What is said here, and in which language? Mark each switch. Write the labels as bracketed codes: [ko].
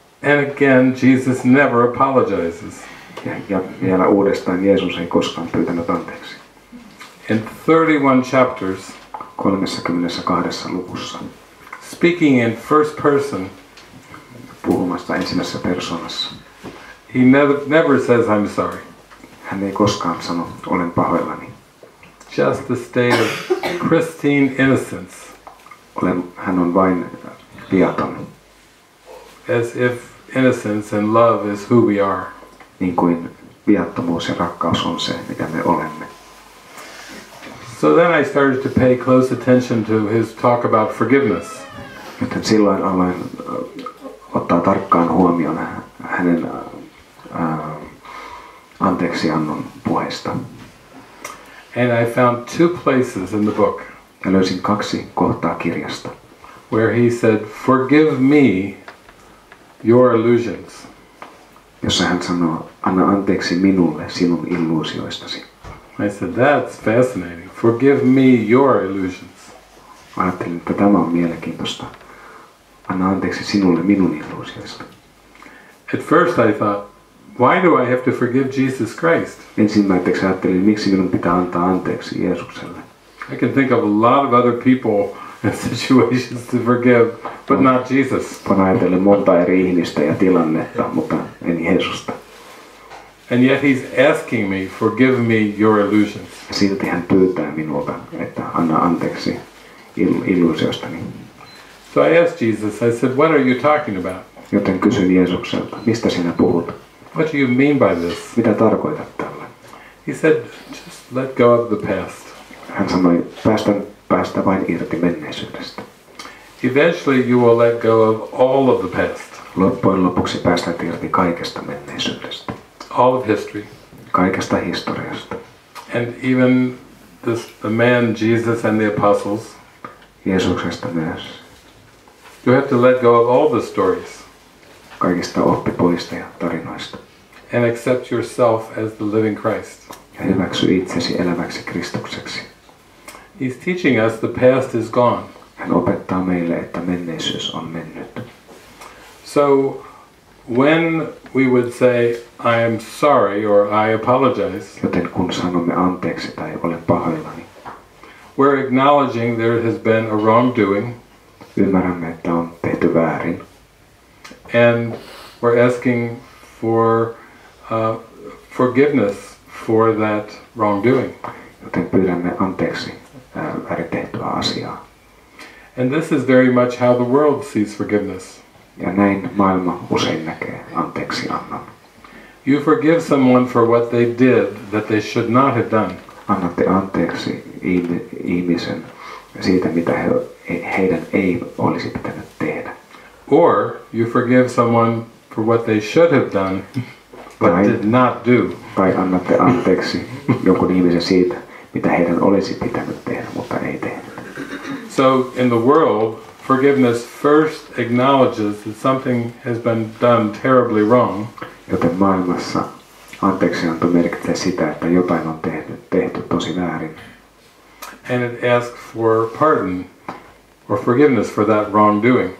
[en] And again, Jesus never apologizes. [fi] Ja vielä uudestaan Jeesus ei koskaan pyytänyt anteeksi. [en] In 31 chapters, [fi] 32 lukussa, [en] speaking in first person, [fi] puhumassa ensimmäisessä persoonassa, [en] he never says I'm sorry. [fi] Hän ei koskaan sano olen pahoillani. [en] Just the state of pristine innocence. [fi] Hän on vain viaton. [en] As if innocence and love is who we are. [fi] Niin kuin viattomuus ja rakkaus on se, mitä me olemme. [en] So then I started to pay close attention to his talk about forgiveness. [fi] Joten silloin aloin ottaa tarkkaan huomioon hänen anteeksiannon puheesta. [en] And I found two places in the book. [fi] Ja löysin kaksi kohtaa kirjasta. [en] Where he said, "Forgive me your illusions." [fi] Jossa hän sanoo, anna anteeksi minulle sinun illuusioistasi. [en] I said, that's fascinating. Forgive me your illusions. [fi] Ajattelin, että tämä on mielenkiintoista. Anna anteeksi sinulle minun illuusioista. [en] At first I thought, why do I have to forgive Jesus Christ? [fi] Ensimmäiseksi ajattelin, miksi minun pitää antaa anteeksi Jeesukselle. [en] I can think of a lot of other people and situations to forgive, but not Jesus. [fi] Voin ajatella monta eri ihmistä ja tilannetta, mutta en Jeesusta. [en] And yet he's asking me, forgive me your illusions. [fi] Silti hän pyytää minulta, että anna anteeksi illuusiostani. [en] So I asked Jesus, I said, what are you talking about? [fi] Joten kysyin Jeesukselta, mistä sinä puhut? [en] What do you mean by this? [fi] Mitä tarkoitat tällä? [en] He said, just let go of the past. [fi] Hän sanoi, päästä vain irti menneisyydestä. [en] Eventually you will let go of all of the past. [fi] Loppujen lopuksi päästät irti kaikesta menneisyydestä. [en] All of history. [fi] Kaikesta historiasta. [en] And even the man Jesus and the apostles. [fi] Jeesuksesta myös. [en] You have to let go of all the stories. [fi] Kaikista oppipoista ja tarinoista. [en] And accept yourself as the living Christ. [fi] Ja hyväksy itsesi eläväksi Kristukseksi. [en] He's teaching us the past is gone. [fi] Hän opettaa meille, että menneisyys on mennyt. [en] So when we would say I am sorry or I apologize. [fi] Joten kun sanomme anteeksi tai olen pahoillani. [en] We're acknowledging there has been a wrongdoing. [fi] Ymmärrämme, että on tehty väärin. [en] And we're asking for forgiveness for that wrongdoing. [fi] Joten pyydämme anteeksi väärin tehtyä asiaa. [en] And this is very much how the world sees forgiveness. [fi] Ja näin maailma usein näkee anteeksiannon. [en] You forgive someone for what they did that they should not have done. [fi] Annatte anteeksi ihmisen siitä, mitä heidän ei olisi pitänyt tehdä. [en] Or you forgive someone for what they should have done but did not do. [fi] Tai annatte anteeksi jonkun ihmisen siitä, mitä heidän olisi pitänyt tehdä, mutta ei tehnyt. [en] So in the world, forgiveness first acknowledges that something has been done terribly wrong. [fi] Joten maailmassa anteeksianto merkitsee sitä, että jotain on tehty tosi väärin. [en] And it asks for pardon or forgiveness for that wrongdoing.